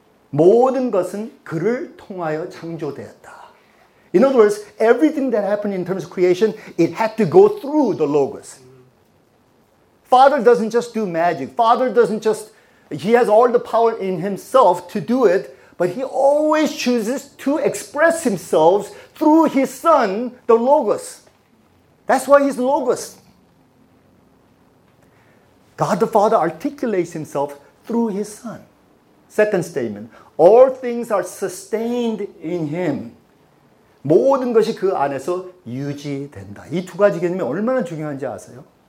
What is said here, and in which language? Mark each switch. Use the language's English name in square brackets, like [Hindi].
[Korean] 모든 것은 그를 통하여 창조되었다. [English] In other words, everything that happened in terms of creation, it had to go through the Logos. Father doesn't just do magic. Father doesn't just, he has all the power in himself to do it, but he always chooses to express himself through his son, the Logos. That's why he's Logos. God the Father articulates himself through his son. Second statement, all things are sustained in him. [Korean] 모든 것이 그 안에서 유지된다. 이 두 가지 개념이 얼마나 중요한지 아세요?